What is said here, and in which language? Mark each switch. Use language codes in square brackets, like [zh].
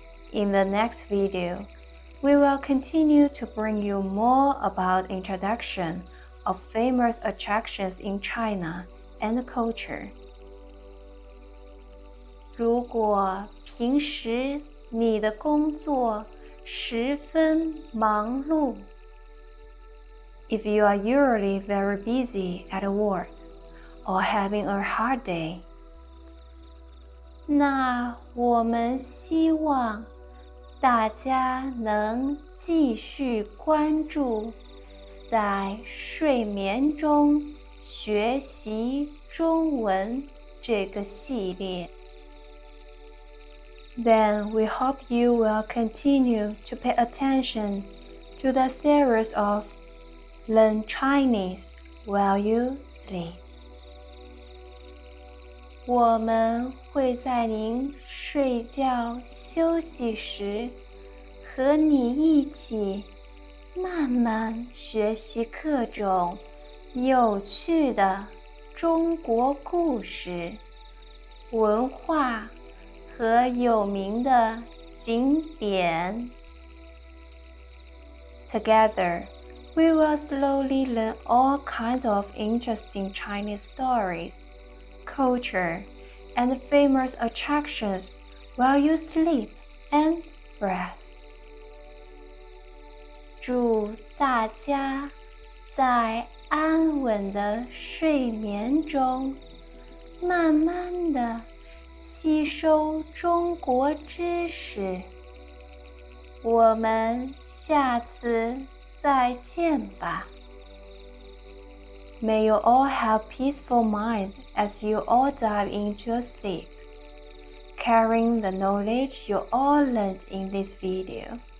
[en] In the next video, We will continue to bring you more about introduction of famous attractions in China and culture. [zh] 如果平时你的工作十分忙碌， [en] If you are usually very busy at work or having a hard day, [zh] 那我们希望大家能继续关注在睡眠中学习中文这个系列。 [en] Then we hope you will continue to pay attention to the series of Learn Chinese While You Sleep. [zh] 我们会在您睡觉休息时和你一起慢慢学习各种有趣的中国故事、文化和有名的景点。 [en] Together, we will slowly learn all kinds of interesting Chinese stories, culture, and famous attractions while you sleep and rest. [zh] 祝大家在安稳的睡眠中慢慢的吸收中国知识，我们下次再见吧。 [en] May you all have peaceful minds as you all dive into your sleep, carrying the knowledge you all learned in this video.